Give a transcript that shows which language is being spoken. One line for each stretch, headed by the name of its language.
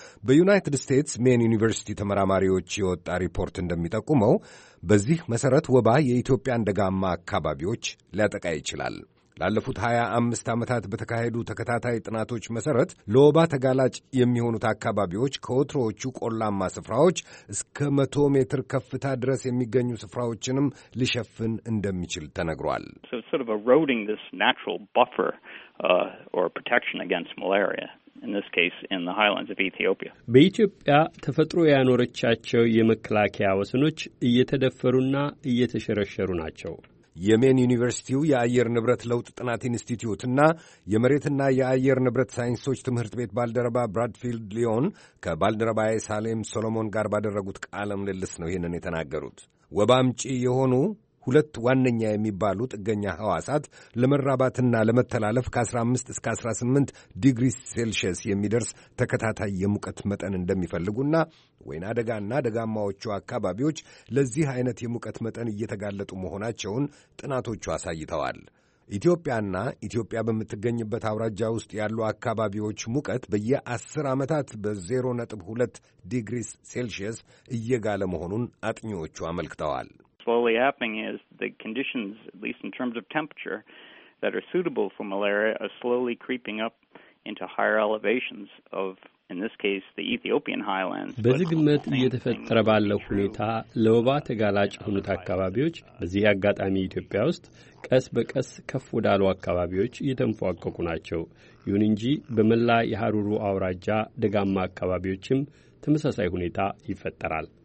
Amharic: በዩናይትድ ስቴትስ ሜን ዩኒቨርሲቲ ተመራማሪዎች የወጣ ሪፖርት እንደሚጠቁመው በዚህ መሠረት ወባ የኢትዮጵያን ደጋማ አካባቢዎች ሊያጠቃ ይችላል። ላለፉት 25 ዓመታት በተካሄዱ ተከታታይ ጥናቶች መሠረት ለወባ ተጋላጭ የሚሆኑት አካባቢዎች ከወትሮዎቹ ቆላማ ስፍራዎች እስከ 100 ሜትር ከፍታ ድረስ የሚገኙ ስፍራዎችንም ሊሸፍን እንደሚችል ተነግሯል።
English: So it's sort of eroding this natural buffer or protection against malaria. In this case, in the highlands of Ethiopia.
Amharic: በኢትዮጵያ ተፈጥሮ ያኖረቻቸው የመከላከያ ወሰኖች እየተደፈሩና እየተሸረሸሩ ናቸው። የሜን ዩኒቨርሲቲው የአየር ንብረት ለውጥ ጥናት ኢንስቲትዩት እና የመሬትና የአየር ንብረት ሳይንሶች ትምህርት ቤት ባልደረባ ብራድፊልድ ሊዮን ከባልደረባ ሳሌም ሶሎሞን ጋር ባደረጉት ቃለ ምልልስ ነው ይህንን የተናገሩት። ወባ አምጪ የሆኑ ሁለት ዋነኛ የሚባሉ ጥገኛ ህዋሳት ለመራባትና ለመተላለፍ ከ15 እስከ 18 ዲግሪ ሴልሺየስ የሚደርስ ተከታታይ የሙቀት መጠን እንደሚፈልጉና ወይና ደጋና ደጋማዎቹ አካባቢዎች ለዚህ አይነት የሙቀት መጠን እየተጋለጡ መሆናቸውን ጥናቶቹ አሳይተዋል። ኢትዮጵያና ኢትዮጵያ በምትገኝበት አውራጃ ውስጥ ያሉ አካባቢዎች ሙቀት በየ10 ዓመታት በ0.2 ዲግሪ ሴልሺየስ እየጋለ መሆኑን አጥኚዎቹ አመልክተዋል።
English: Slowly happening is the conditions, at least in terms of temperature, that are suitable for malaria are slowly creeping up into higher elevations of, in this case, the Ethiopian highlands.
Amharic: በዝግመት እየተፈጠረ ባለው ሁኔታ ለወባ ተጋላጭ ሁኔታ አካባቢዎች በዚህ አጋጣሚ ኢትዮጵያ ውስጥ ቀስ በቀስ ከፍ ወዳሉ አካባቢዎች እየተንፏቀቁ ናቸው። ይሁን እንጂ በመላ የሐሩሩ አውራጃ ደጋማ አካባቢዎችም ተመሳሳይ ሁኔታ ይፈጠራል።